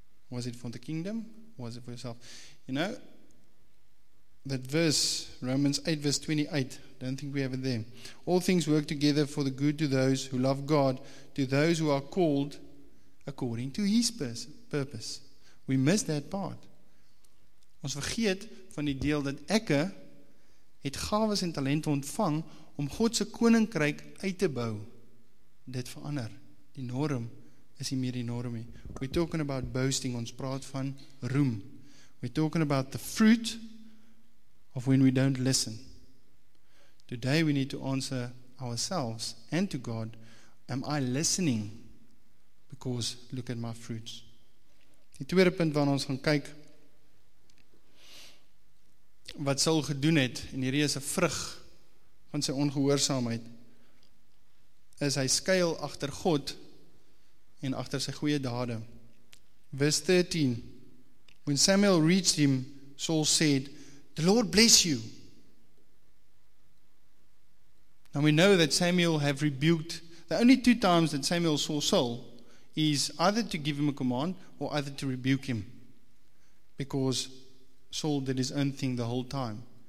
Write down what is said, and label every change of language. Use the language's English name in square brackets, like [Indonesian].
[English] Was it for the kingdom? Was it for yourself? You know, that verse, Romans 8 verse 28, don't think we have it there. All things work together for the good to those who love God, to those who are called according to His purpose. We miss that part. [Afrikaans] Ons vergeet van die deel dat ekke het gawes en talente ontvang om Godse koninkryk uit te bou. Dit verander. Die norm is nie meer die norm nie. [English] We're talking about boasting, [Afrikaans] ons praat van roem. [English] We're talking about the fruit of when we don't listen. Today we need to answer ourselves and to God, am I listening? Because look at my fruits. [Afrikaans] Die tweede punt waarna ons gaan kyk, wat Saul gedoen het, en hierdie is 'n vrug van sy ongehoorsaamheid, is hy skuil agter God en agter sy goeie dade. [English] Verse 13, when Samuel reached him, Saul said, the Lord bless you. Now we know that Samuel have rebuked, the only two times that Samuel saw Saul, is either to give him a command or either to rebuke him, because Saul did his own thing the whole time.